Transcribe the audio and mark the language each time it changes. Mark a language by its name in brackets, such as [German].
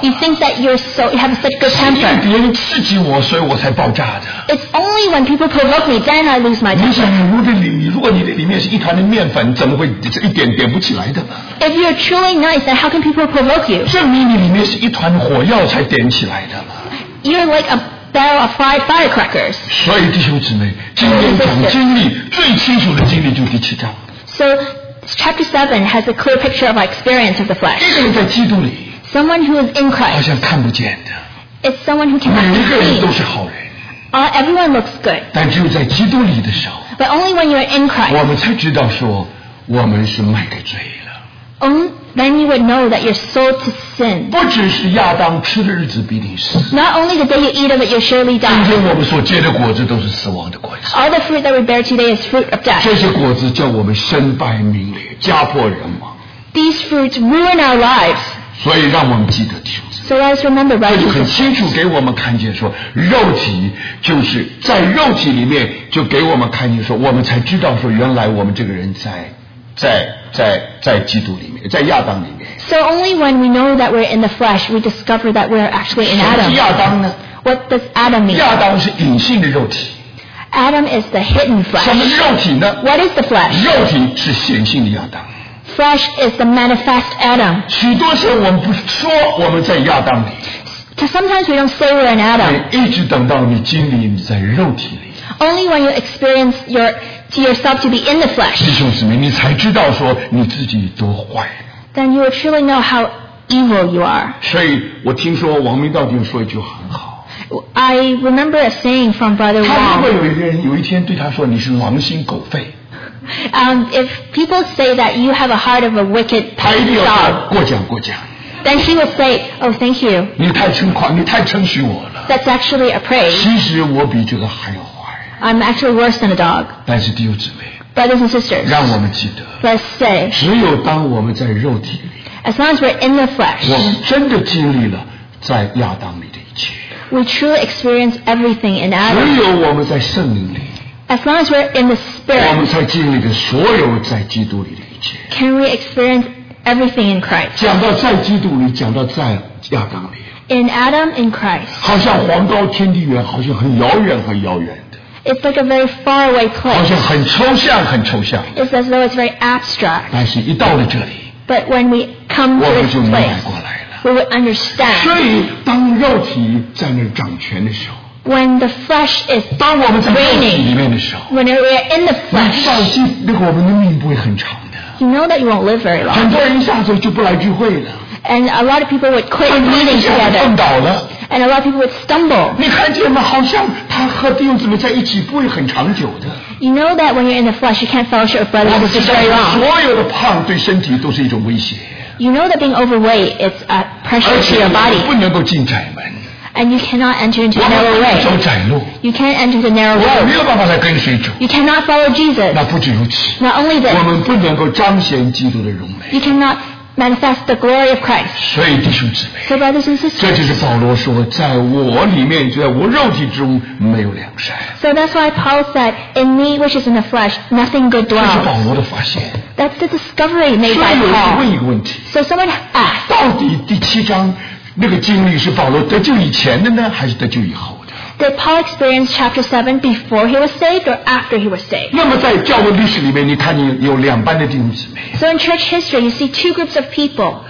[English] You think that you're so, you have such good temper. [Chinese] 是因为别人刺激我，所以我才爆炸的。 [English] It's only when people provoke me, then I lose my temper. [Chinese] 你想，如果你的里面是一团的面粉，怎么会一点点不起来的？ [English] If you're truly nice, then how can people provoke you? [Chinese] 证明你里面是一团火药才点起来的嘛。 [English] You're like a barrel of fried firecrackers. [Chinese] 所以弟兄姊妹，今天讲经历最清楚的经历就是第七章。 [English] So. Chapter 7 has a clear picture of our experience of the flesh. [Chinese] 一个人在基督里, [English] someone who is in Christ, [Chinese] 好像看不见的, [English] it's someone who cannot see. [Chinese] 每个人都是好人, [English] everyone looks good. [Chinese] 但只有在基督里的时候, [English] but only when you are in Christ, [Chinese] 我们才知道说我们是卖给罪了。 [English] Then you would know that you're sold to sin. [Chinese] 不只是亚当吃的日子必定死, [English] not only the day you eat of it, you'll surely die. [Chinese] 今天我们所结的果子都是死亡的果子。 [English] All the fruit that we bear today is fruit of death. [Chinese] 这些果子叫我们身败名裂。家破人亡。 [English] These fruits ruin our lives. [Chinese] 所以让我们记得弟兄姊妹。 [English] So let us remember, right? [Chinese] 这就很清楚给我们看见说，肉体就是在肉体里面就给我们看见说，我们才知道说，原来我们这个人在基督里面，在亚当里面。 [English] So only when we know that we're in the flesh, we discover that we're actually in Adam. [Chinese] 什么是亚当呢？ [English] What does Adam mean? [Chinese] 亚当是隐性的肉体。 [English] Adam is the hidden flesh. [Chinese] 什么是肉体呢？ [English] What is the flesh? [Chinese] 肉体是显性的亚当。 [English] Flesh is the manifest Adam. [Chinese] 许多时候我们不说我们在亚当里。 [English] Sometimes we don't say we're in Adam. [Chinese] 一直等到你经历你在肉体里。 [English] Only when you experience yourself to be in the flesh. [Chinese] 弟兄姊妹，你才知道说你自己多坏。 [English] Then you will truly know how evil you are. [Chinese] 所以我听说王明道弟兄说一句很好。 [English] I remember a saying from Brother Wang. [Chinese] 他如果有一个人有一天对他说你是狼心狗肺。 [English] If people say that you have a heart of a wicked dog, [Chinese] 他一定要过奖过奖。 [English] Then he will say, "Oh, thank you." [Chinese] 你太称狂，你太称许我了。 [English] That's actually a praise. [Chinese] 其实我比这个还要坏。 [English] I'm actually worse than a dog. [Chinese] 但是弟兄姊妹。 [English] Brothers and sisters. [Chinese] 让我们记得。 [English] Let's say. [Chinese] 只有当我们在肉体里。 [English] As long as we're in the flesh. [Chinese] 我们真的经历了在亚当里的一切。 [English] We truly experience everything in Adam. [Chinese] 只有我们在圣灵里。 [English] As long as we're in the Spirit. [Chinese] 我们才经历了所有在基督里的一切。 [English] Can we experience everything in Christ? [Chinese] 讲到在基督里，讲到在亚当里。 [English] In Adam, in Christ. [Chinese] 好像黄高天地远，好像很遥远，很遥远的。 [English] It's like a very far away place. [Chinese] 好像很抽象，很抽象。 [English] It's as though it's very abstract. [Chinese] 但是一到了这里。 [English] But when we come to this place. [Chinese] 我们就明白过来了。 [English] We would understand. [Chinese] 所以当肉体在那掌权的时候。 [English] When the flesh is reigning, when we are in the flesh, [Chinese] 上帝那个我们的命不会很长的。 [English] You know that you won't live very long. [Chinese] 很多人一下子就不来聚会了。 [English] And a lot of people would quit meeting together. [Chinese] 碰倒了。 [English] And a lot of people would stumble. [Chinese] 你看见吗？好像他和弟兄姊妹在一起不会很长久的。 [English] You know that when you're in the flesh, you can't fellowship with brothers for very long. [Chinese] 所有的胖对身体都是一种威胁。 [English] You know that being overweight is a pressure to your body. [Chinese] 不能够进窄门。 [English] And you cannot enter into the narrow way. You can't enter the narrow road. You cannot follow Jesus. Not only this. You cannot manifest the glory of Christ. So brothers and sisters. So that's why Paul said, in me which is in the flesh, nothing good dwells. That's the discovery made by Paul. So someone asked, [Chinese] 到底第七章那个经历是保罗得救以前的呢，还是得救以后的？ [English] Did Paul experience chapter 7 before he was saved or after he was saved? [Chinese] 那么在教会历史里面，你看你有两班的弟兄姊妹。 [English] So in church history, you see two groups of people.